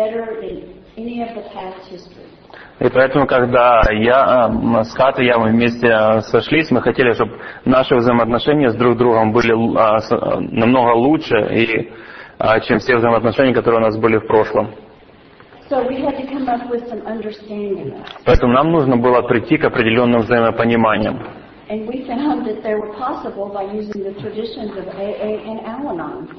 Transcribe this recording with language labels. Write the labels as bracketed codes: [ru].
[ru] И поэтому, когда мы вместе сошлись, мы хотели, чтобы наши взаимоотношения с друг другом были намного лучше, и чем все взаимоотношения, которые у нас были в прошлом. [en] So we had to come up with some understanding. [ru] Поэтому нам нужно было прийти к определенным взаимопониманиям. [en] And we found that they were possible by using the traditions of AA and Al-Anon.